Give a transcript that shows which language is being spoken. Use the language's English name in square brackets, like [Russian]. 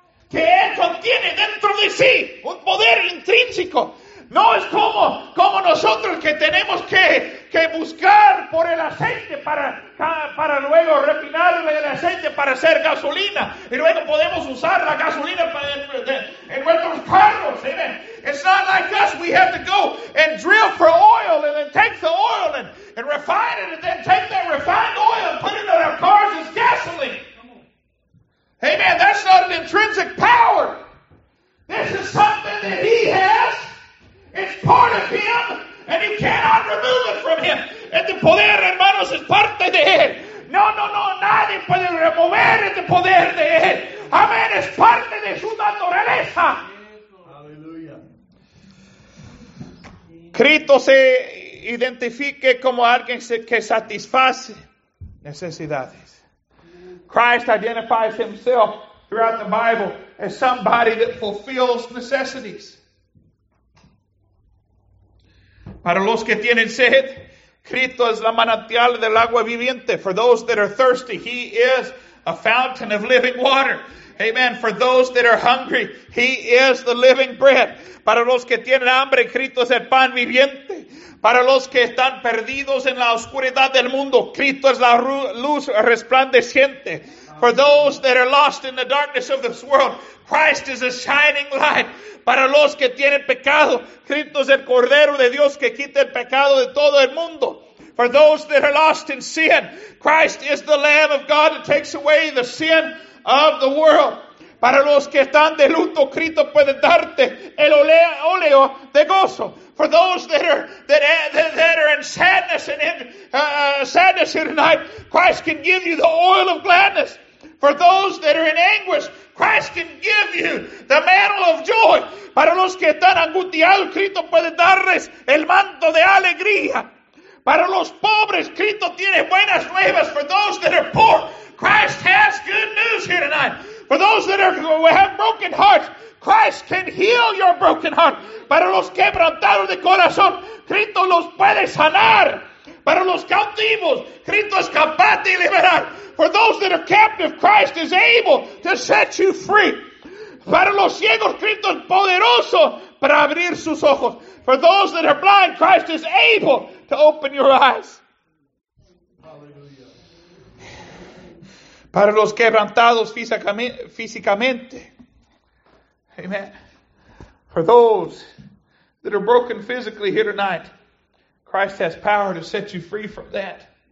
[Spanish] Que él contiene dentro de sí un poder intrínseco. No es como nosotros que tenemos que buscar por el aceite para luego refinar el aceite para hacer gasolina. Y luego podemos usar la gasolina en nuestros carros. [English] Amen. It's not like us. We have to go and drill for oil and then take the oil and refine it and then take that refined oil and put it in our cars as gasoline. Amen. That's not an intrinsic power. This is something that he has. It's part of him. And you cannot remove it from him. [Spanish] Este poder, hermanos, es parte de él. No, no, no. Nadie puede remover este poder de él. Amén. Es parte de su naturaleza. Aleluya. Cristo se identifique como alguien que satisface necesidades. [English] Christ identifies himself throughout the Bible as somebody that fulfills necessities. [Spanish] Para los que tienen sed, Cristo es la manantial del agua viviente. [English] For those that are thirsty, he is a fountain of living water. Amen. For those that are hungry, he is the living bread. [Spanish] Para los que tienen hambre, Cristo es el pan viviente. Para los que están perdidos en la oscuridad del mundo, Cristo es la luz resplandeciente. [English] For those that are lost in the darkness of this world, Christ is a shining light. [Spanish] Para los que tienen pecado, Cristo es el Cordero de Dios que quita el pecado de todo el mundo. [English] For those that are lost in sin, Christ is the Lamb of God that takes away the sin of the world. [Spanish] Para los que están de luto, Cristo puede darte el óleo de gozo. [English] For those that are in sadness and in sadness here tonight, Christ can give you the oil of gladness. For those that are in anguish, Christ can give you the mantle of joy. [Spanish] Para los que están angustiados, Cristo puede darles el manto de alegría. Para los pobres, Cristo tiene buenas nuevas. [English] For those that are poor, Christ has good news here tonight. For those that have broken hearts, Christ can heal your broken heart. [Spanish] Para los quebrantados de corazón, Cristo los puede sanar. Para los cautivos, Cristo es capaz de liberar. [English] For those that are captive, Christ is able to set you free. [Spanish] Para los ciegos, Cristo es poderoso para abrir sus ojos. [English] For those that are blind, Christ is able to open your eyes. [Spanish] Para los quebrantados físicamente. Amen. [English] For those that are broken physically here tonight, Christ has power to set you free from that.